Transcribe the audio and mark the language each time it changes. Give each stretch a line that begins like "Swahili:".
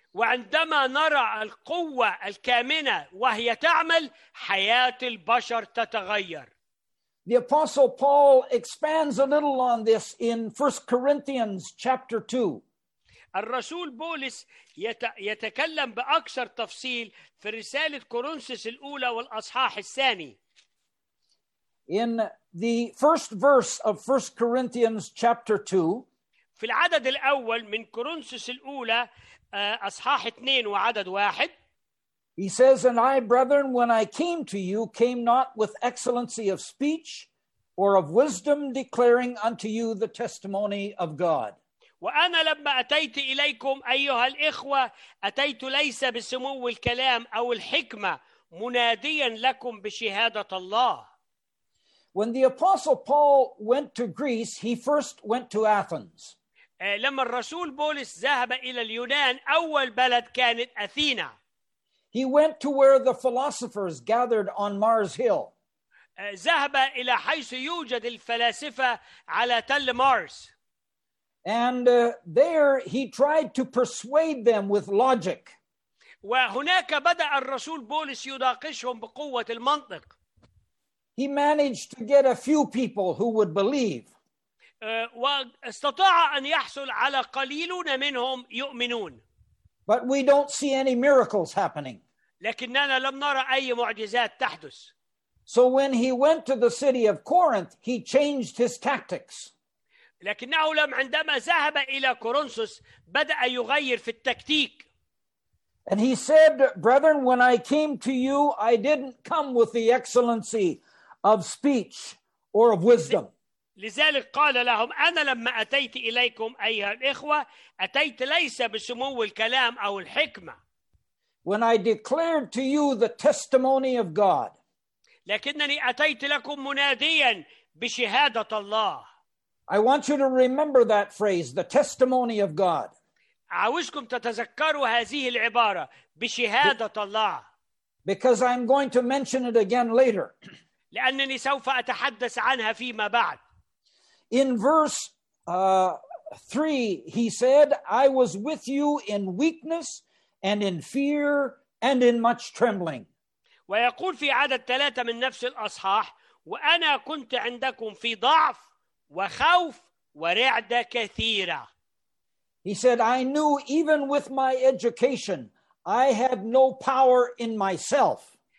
Arabic: وعندما نرى القوة الكامنة وهي تعمل حياة البشر تتغير.
English: The Apostle Paul expands a little on this in 1 Corinthians chapter 2.
Arabic: الرسول بولس يتكلم بأكثر تفصيل في رسالة كورنثس الأولى والأصحاح الثاني.
English: In the first verse of 1 Corinthians chapter 2.
Arabic: في العدد الأول من كورنثس الأولى أصحاح 2 وعدد 1.
English: He says, "And I, brethren, when I came to you, came not with excellency of speech or of wisdom, declaring unto you the testimony of God."
Arabic: وأنا لما أتيت إليكم أيها الإخوة أتيت ليس بسمو الكلام أو الحكمة مناديا لكم بشهادة الله.
English: When the Apostle Paul went to Greece, he first went to Athens.
Arabic: لما الرسول بولس ذهب إلى اليونان أول بلد كانت أثينا.
English: He went to where the philosophers gathered on Mars Hill.
Arabic: ذهب إلى حيث يوجد الفلاسفة على تل مارس.
English: And there he tried to persuade them with logic.
Arabic: وهناك بدأ الرسول بولس يناقشهم بقوة المنطق.
English: He managed to get a few people who would believe.
Arabic: واستطاع أن يحصل على قليلون منهم يؤمنون.
English: But we don't see any miracles happening.
Arabic: لكننا لم نرى أي معجزات تحدث.
English: So when he went to the city of Corinth, he changed his tactics.
Arabic: لكنه لم عندما ذهب إلى كورنثوس بدأ يغير في التكتيك.
English: And he said, "Brethren, when I came to you, I didn't come with the excellency of speech or of wisdom."
Arabic: لذلك قال لهم أنا لما أتيت إليكم أيها الإخوة أتيت ليس بسمو الكلام أو الحكمة.
English: When I declared to you the testimony of God.
Arabic: لكنني أتيت لكم مناديا بشهادة الله.
English: I want you to remember that phrase, the testimony of God.
Arabic: عاوزكم تتذكروا هذه العبارة بشهادة الله.
English: Because I'm going to mention it again later.
Arabic: لأنني سوف أتحدث عنها فيما بعد.
English: In verse 3, he said, "I was with you in weakness and in fear and in much trembling."
Arabic: ويقول في عدد 3 من نفس الأصحاح وأنا كنت عندكم في ضعف وخوف ورعدة كثيرة.
English: He said, "I knew even with my education, I had no power in myself."